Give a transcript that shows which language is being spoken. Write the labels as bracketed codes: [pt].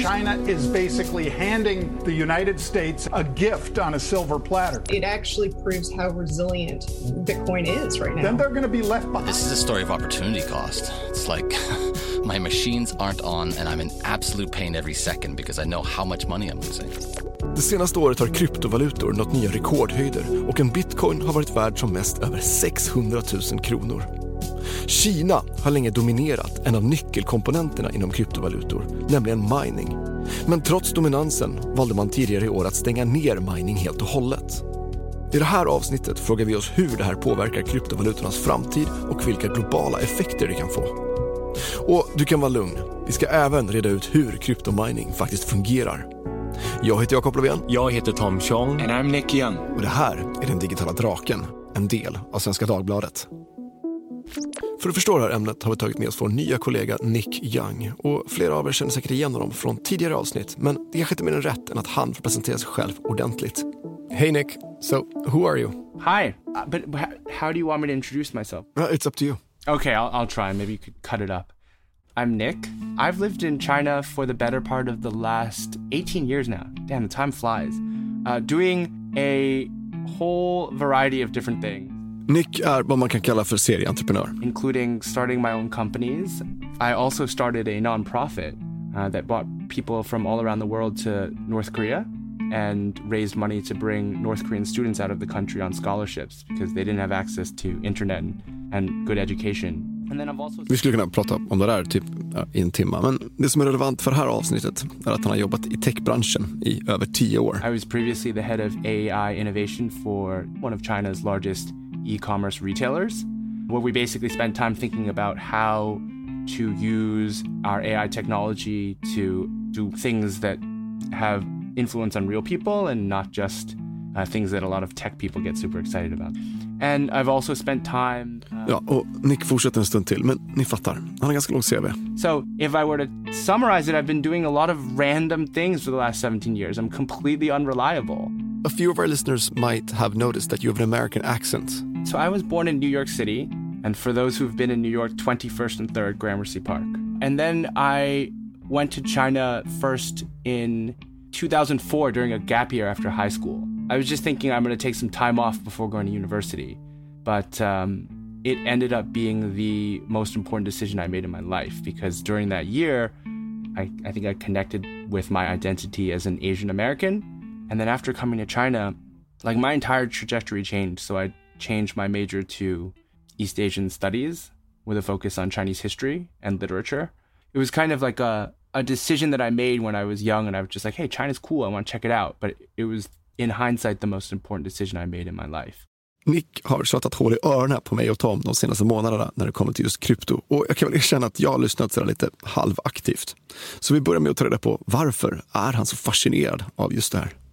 [en] China is basically handing the United States a gift on a silver platter. It actually proves how resilient Bitcoin is right now. Then they're going to be left behind. This is a story of opportunity cost. It's like my machines aren't on and I'm in absolute pain every second because I know how much money I'm losing. [sv] Det senaste året har kryptovalutor nått nya rekordhöjder och en bitcoin har varit värd som mest över 600 000 kronor. Kina har länge dominerat en av nyckelkomponenterna inom kryptovalutor, nämligen mining. Men trots dominansen valde man tidigare i år att stänga ner mining helt och hållet. I det här avsnittet frågar vi oss hur det här påverkar kryptovalutornas framtid och vilka globala effekter det kan få. Och du kan vara lugn, vi ska även reda ut hur kryptomining faktiskt fungerar. Jag heter Jakob Löfven. Jag heter Tom Chong. [en] And I'm Nick Young. [sv] Och det här är Den digitala draken, en del av Svenska Dagbladet. För att förstå det här ämnet har vi tagit med oss vår nya kollega Nick Young. Och flera av er känner säkert igen honom från tidigare avsnitt, men det kanske inte mer än rätt än att han får presentera sig själv ordentligt. [en] Hey Nick, so who are you? Hi, but how do you want me to introduce myself? It's up to you. Okay, I'll try, maybe you could cut it up. I'm Nick. I've lived in China for the better part of the last 18 years now. Damn, the time flies. Doing a whole variety of different things. [sv] Nick är vad man kan kalla för serieentreprenör. [en] Including starting my own companies. I also started a non-profit that brought people from all around the world to North Korea and raised money to bring North Korean students out of the country on scholarships because they didn't have access to internet and good education. And then I've also... [sv] Vi skulle kunna prata om det där typ i en timme, men det som är relevant för det här avsnittet är att han har jobbat i techbranschen i över 10 år. [en] I was previously the head of AI innovation for one of China's largest e-commerce retailers, where we basically spent time thinking about how to use our AI technology to do things that have influence on real people and not just things that a lot of tech people get super excited about. And I've also spent time... [sv] Ja, och Nick fortsätter en stund till, men ni fattar. Han har ganska lång CV. [en] So, if I were to summarize it, I've been doing a lot of random things for the last 17 years. I'm completely unreliable. A few of our listeners might have noticed that you have an American accent. So I was born in New York City, and for those who've been in New York, 21st and 3rd Gramercy Park. And then I went to China first in 2004 during a gap year after high school. I was just thinking I'm going to take some time off before going to university, but it ended up being the most important decision I made in my life because during that year, I think I connected with my identity as an Asian American. And then after coming to China, like my entire trajectory changed. So I changed my major to East Asian studies with a focus on Chinese history and literature. It was kind of like a decision that I made when I was young and I was just like, hey, China's cool. I want to check it out. But it was in hindsight, the most important decision I made in my life. [sv] Nick har tjatat hål i öronen på mig och Tom de senaste månaderna när det kommer till just krypto. Och jag kan väl erkänna att jag har lyssnat sådär lite halvaktivt. Så vi börjar med att ta reda på varför är han så fascinerad av just det här?